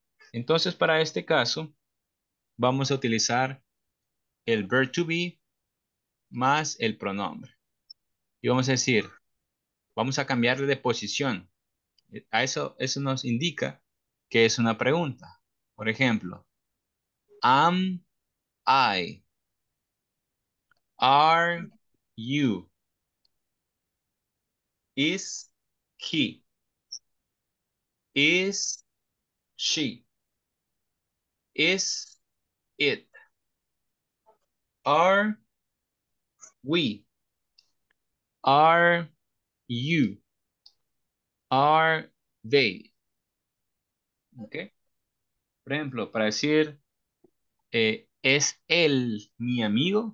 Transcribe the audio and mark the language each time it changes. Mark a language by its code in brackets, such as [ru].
[es] Entonces, para este caso, vamos a utilizar el verb to be más el pronombre. Y vamos a decir, vamos a cambiarle de posición. A eso nos indica que es una pregunta. Por ejemplo, [en] am I, are you, is he, is she, is it, are we, are you, are they. Okay. [es] Por ejemplo, para decir ¿es él mi amigo?